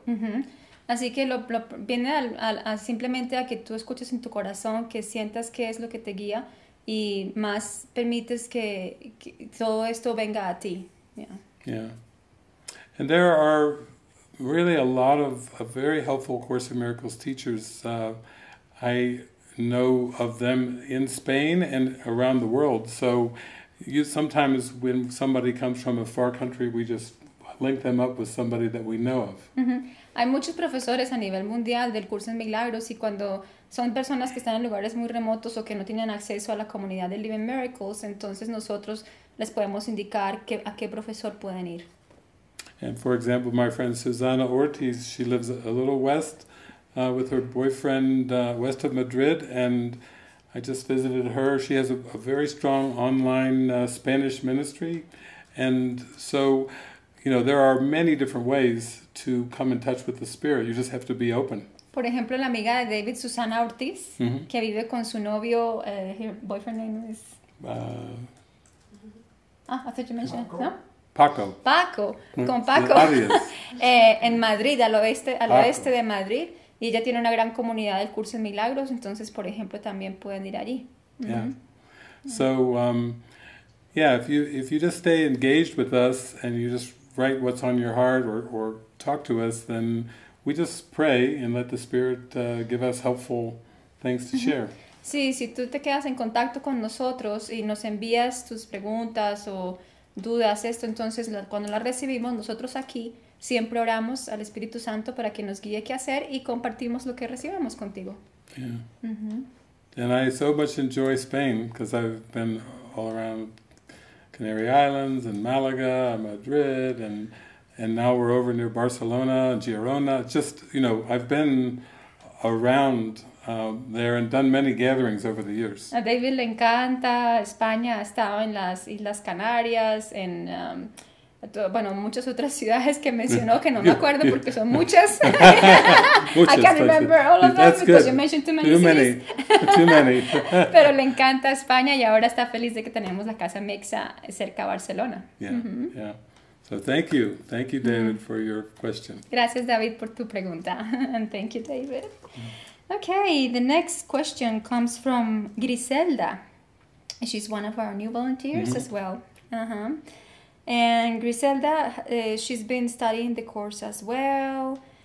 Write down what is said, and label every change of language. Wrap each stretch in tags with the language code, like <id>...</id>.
<es>Mm-hmm. Así que lo viene a simplemente a que tú escuches en tu corazón, que sientas qué es lo que te guía, y más permites que todo esto venga a ti. Yeah. Yeah.</es> <en>And there are really a lot of very helpful Course in Miracles teachers. I know of them in Spain and around the world. So you sometimes when somebody comes from a far country, we just link them up with somebody that we know of. Mm-hmm.</en> <es>Hay muchos profesores a nivel mundial del curso en milagros, y cuando son personas que están en lugares muy remotos o que no tienen acceso a la comunidad de Living Miracles, entonces nosotros les podemos indicar a qué profesor pueden ir.</es> <en>And for example, my friend Susana Ortiz, she lives a little west with her boyfriend west of Madrid, and I just visited her. She has a very strong online Spanish ministry, and so, you know, there are many different ways to come in touch with the spirit. You just have to be open.</en> <es>Por ejemplo, la amiga de David, Susana Ortiz, mm-hmm. que vive con su novio,</es> <en>her boyfriend name is... I thought you mentioned Paco.</en> <es>No? Paco. Mm-hmm. Con Paco. en Madrid, al oeste de Madrid. Y ella tiene una gran comunidad del curso en milagros, entonces, por ejemplo, también pueden ir allí. Mm-hmm. Yeah.</es> <en>So, if you just stay engaged with us and you just write what's on your heart or talk to us, then we just pray and let the Spirit give us helpful things to share.</en> <es>Sí, si tú te quedas en contacto con nosotros y nos envías tus preguntas o dudas, esto, entonces cuando las recibimos nosotros aquí, siempre oramos al Espíritu Santo para que nos guíe qué hacer y compartimos lo que recibamos contigo. Yeah. Mm-hmm.</es> <en>And I so much enjoy Spain because I've been all around Canary Islands and Malaga, Madrid, and now we're over near Barcelona, Girona. Just, you know, I've been around there and done many gatherings over the years.</en> <es>A David le encanta España. Ha estado en las Islas Canarias, en bueno, muchas otras ciudades que mencionó que no me acuerdo porque son muchas. Muchas.</es> <en>I can't remember all of them. That's because good. You mentioned too many. Too cities. Many. Too many.</en> <es>Pero le encanta España y ahora está feliz de que tenemos la casa Mexa cerca a Barcelona. Yeah. Mm-hmm.</es> <en>Yeah. So thank you, David, for your question.</en> <es>Gracias, David, por tu pregunta.</es> <en>And thank you, David. Okay, the next question comes from Griselda. She's one of our new volunteers mm-hmm. as well. Uh-huh. And Griselda, she's been studying the course as well,</en>